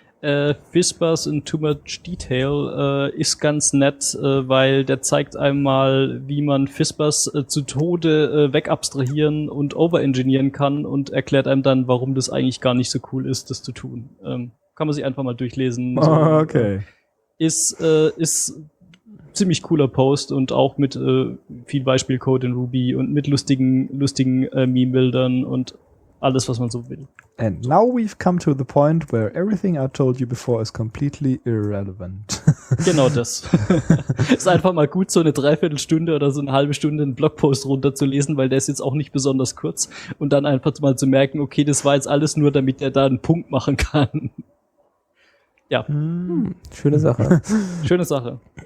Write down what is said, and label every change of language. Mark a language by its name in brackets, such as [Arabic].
[German] Whispers in Too Much Detail ist ganz nett, weil der zeigt einmal, wie man Whispers zu Tode wegabstrahieren und overengineeren kann und erklärt einem dann, warum das eigentlich gar nicht so cool ist, das zu tun. Kann man sich einfach mal durchlesen. Ah, oh, okay. Ist ziemlich cooler Post und auch mit viel Beispielcode in Ruby und mit lustigen Meme-Bildern und alles, was man so will. [English] And now we've come to the point where everything I told you before is completely irrelevant. [German] Genau das. Ist einfach mal gut, so eine Dreiviertelstunde oder so eine halbe Stunde einen Blogpost runterzulesen, weil der ist jetzt auch nicht besonders kurz. Und dann einfach mal zu merken, okay, das war jetzt alles nur, damit er da einen Punkt machen kann. Ja. Schöne Sache. Schöne Sache.